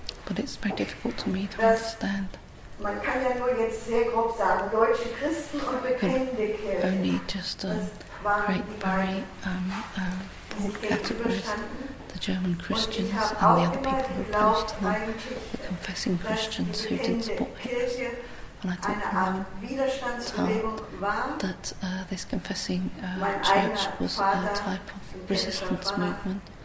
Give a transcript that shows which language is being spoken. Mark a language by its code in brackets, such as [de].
[en] But it's very difficult to me to understand. [de] Man kann ja nur jetzt sehr grob sagen, deutsche Christen und bekennende Kirche. [en] Only just a great, very broad categories, the German Christians and the other people who opposed to them, the confessing Christians who didn't support Hitler. And I thought from them that this confessing church was a type of resistance movement.